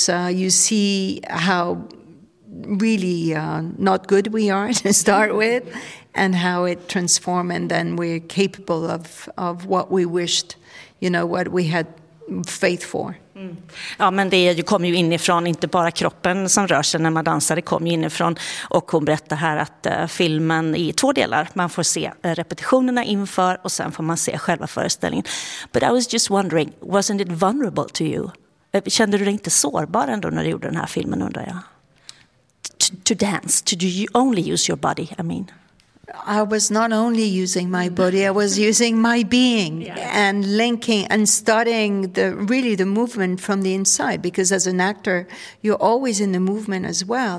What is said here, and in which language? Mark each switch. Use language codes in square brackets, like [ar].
[en] You see how really not good we are to start with, and how it transforms, and then we're capable of what we wished, you know, what we had faith for. Mm. [sv] Ja, men det kommer ju inifrån, inte bara kroppen som rör sig när man dansar, det kommer ju inifrån. Och hon berättar här att filmen i två delar, man får se repetitionerna inför och sen får man se själva föreställningen. [en] But I was just wondering, wasn't it vulnerable to you? [sv] Kände du dig inte sårbar ändå när du gjorde den här filmen, undrar jag? [en] To dance, to do you only use your body, I mean. I was not only using my body, I was using my being. Yeah. And linking and studying the movement from the inside. Because as an actor, you're always in the movement as well.